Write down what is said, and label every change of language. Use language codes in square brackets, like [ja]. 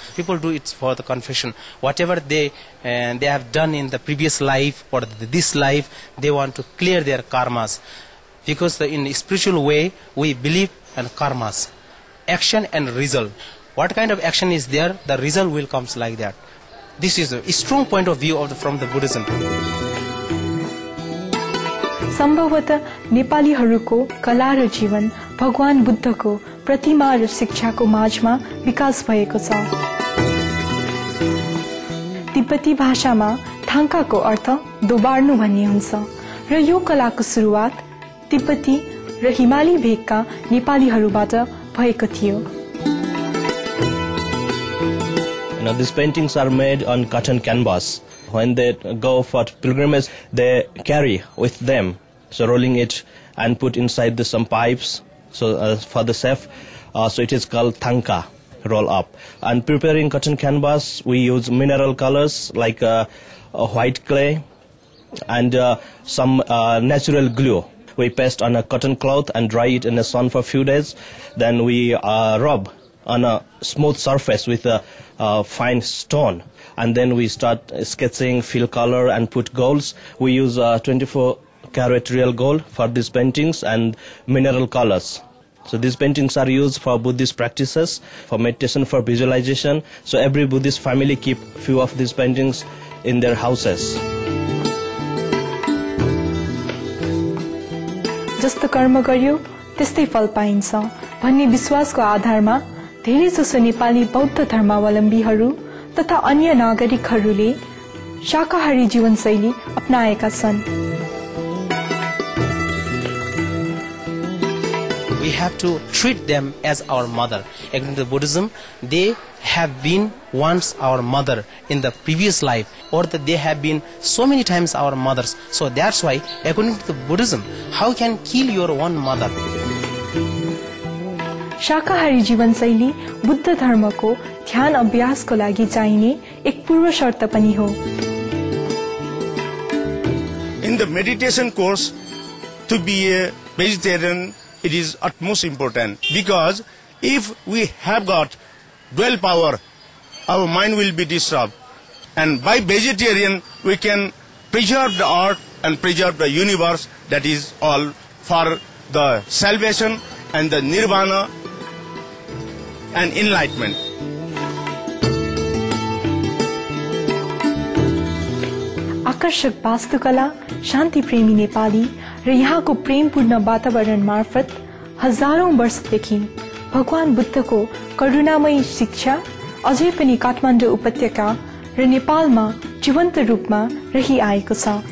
[en] People do it for the confession. Whatever they have done in the previous life or this life, they want to clear their karmas. Because in a spiritual way, we believe in karmas, action and result. What kind of action is there, the result will come like that. This is a strong point of view from the Buddhism. [ne] सम्भवतः नेपालीहरूको कला र जीवन भगवान बुद्धको प्रतिमा र शिक्षाको माझमा विकास भएको छ। तिब्बती भाषामा थाङ्काको अर्थ दोबार्नु भन्ने हुन्छ र यो कलाको सुरुवात तिब्बती र हिमाली भेगका नेपालीहरूबाट भएको थियो। [en] Now these paintings are made on cotton canvas. When they go for pilgrimage, they carry with them. So rolling it and put inside some pipes for the safe. So it is called thanka, roll up. And preparing cotton canvas, we use mineral colors like a white clay and natural glue. We paste on a cotton cloth and dry it in the sun for a few days. Then we rub on a smooth surface with a fine stone. And then we start sketching, fill color and put golds. We use 24-carat real gold for these paintings and mineral colors. So these paintings are used for Buddhist practices, for meditation, for visualization. So every Buddhist family keep few of these paintings in their houses. [ne] जस्तो कर्म गरियो त्यस्तै फल पाइन्छ भन्ने विश्वासको आधारमा धेरै जसो नेपाली बौद्ध धर्मावलम्बीहरू तथा अन्य नागरिकहरूले शाकाहारी जीवनशैली अपनाएका छन्। [en] We have to treat them as our mother. According to Buddhism, they have been once our mother in the previous life, or that they have been so many times our mothers. So that's why, according to Buddhism, how can kill your own mother? [ne] शाकाहारी जीवनशैली बुद्ध धर्मको ध्यान अभ्यासको लागि चाहिने एक पूर्व शर्त पनि हो। [en] In the meditation course, to be a vegetarian, it is utmost important, because if we have got dual power, our mind will be disturbed, and by vegetarian we can preserve the earth and preserve the universe. That is all for the salvation and the nirvana and enlightenment. [ne] आकर्षक वास्तुकला, शांति प्रेमी नेपाली र यहाँको प्रेमपूर्ण वातावरण मार्फत हजारौं वर्षदेखि भगवान बुद्धको करुणामय शिक्षा अझै पनि काठमाडौँ उपत्यका र नेपालमा जीवन्त रूपमा रहिआएको छ।